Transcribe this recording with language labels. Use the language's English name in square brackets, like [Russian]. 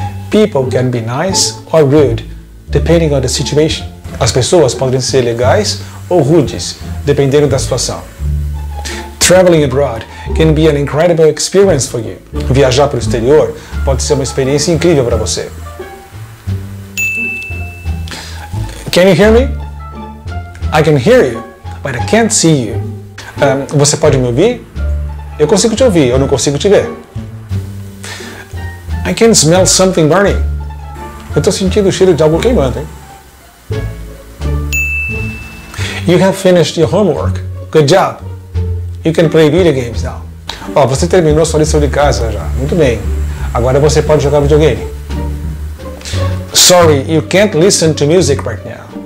[English] People can be nice or rude, depending on the situation. [Portuguese] As pessoas podem ser legais ou rudes, dependendo da situação. [English] Traveling abroad can be an incredible experience for you. [Portuguese] Viajar para o exterior pode ser uma experiência incrível para você. [English] Can you hear me? I can hear you, but I can't see you. [Portuguese] Você pode me ouvir? Eu consigo te ouvir, eu não consigo te ver. [English] I can smell something burning. [Portuguese] Eu estou sentindo o cheiro de algo queimando, hein? [English] You have finished your homework. Good job. You can play video games now. [Portuguese] Oh, você terminou sua lição de casa já. Muito bem. Agora você pode jogar videogame. [English] Sorry, you can't listen to music right now.